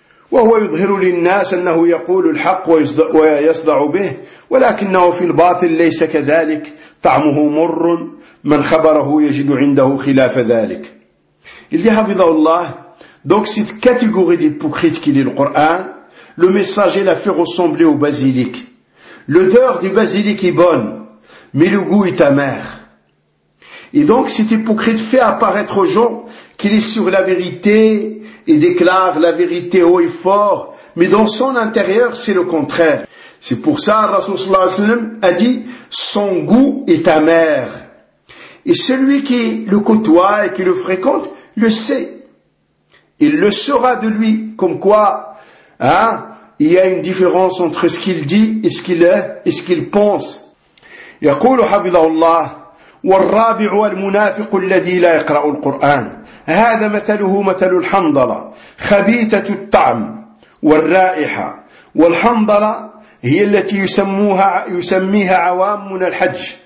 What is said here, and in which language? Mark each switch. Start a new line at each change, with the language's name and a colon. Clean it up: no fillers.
Arabic: وهو يظهر للناس أنه يقول الحق ويصدع به، ولكنه في الباطل ليس كذلك، طعمه مر، من خبره يجد عنده خلاف ذلك.
French: Il dit حفظه الله donc cette catégorie des hypocrites qui lit le Coran, le messager la fait ressembler au basilic. L'odeur du basilic est bonne, mais le goût est amer. Et donc cet hypocrite fait apparaître aux gens qu'il est sur la vérité et déclare la vérité haut et fort, mais dans son intérieur c'est le contraire. C'est pour ça que Rasoul sallallahu alayhi wa sallam a dit « son goût est amer ». Et celui qui le côtoie et qui le fréquente le sait. Il le saura de lui, comme quoi hein, il y a une différence entre ce qu'il dit et ce qu'il est et ce qu'il pense.
Arabic: يقول حفظه الله والرابع المنافق الذي لا يقرأ القرآن هذا مثله مثل الحنظلة خبيثة الطعم والرائحة والحنظلة هي التي يسميها عوامنا الحج